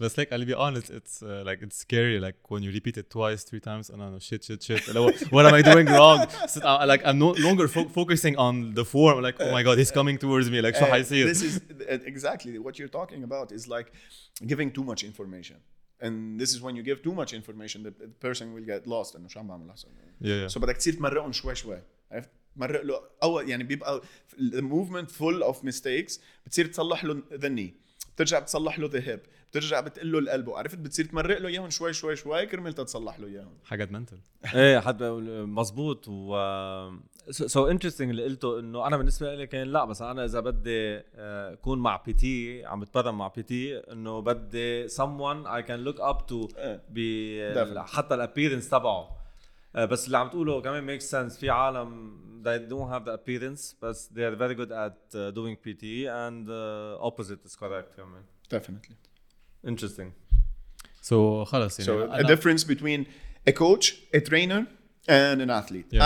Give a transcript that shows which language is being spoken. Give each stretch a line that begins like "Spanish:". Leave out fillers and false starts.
English: بس like I'll be honest, it's like it's scary like when you repeat it twice, three times and I'm like shit. What am I doing wrong? So, like I'm no longer focusing on the form. Like oh my god, he's coming towards me. Like so I see it. This is exactly what you're talking about. Is like giving too much information. And this is when you give too much information that the person will get lost and
Arabic: شو عم بعمل هسه. Yeah. So بدك تصير تمرقهم شوي شوي. عرفت؟ مرق له اول يعني بيبقى
English: the movement full of mistakes
Arabic: بتصير تصلح له the knee. بترجع بتصلح له the hip. بترجع بتقول له القلب. عرفت؟ بتصير تمرق له اياهم شوي شوي شوي كرمال تتصلح له اياهم. حاجة منتل. ايه حد مظبوط و so interesting اللي قلته انه انا بالنسبة لي كان لا بس انا اذا بدي اكون مع بي تي عم بتبرم مع بي تي انه بدي
English: someone I can look up to
Arabic: حتى الابيرنس تبعه. بس اللي عم تقوله كمان
English: makes sense.
Arabic: في عالم
English: they don't have the appearance but they are very good at doing PT and opposite is correct. I mean. Definitely. Interesting.
Arabic: So خلاص
English: يعني. So a difference between a coach, a trainer and an athlete. Yeah.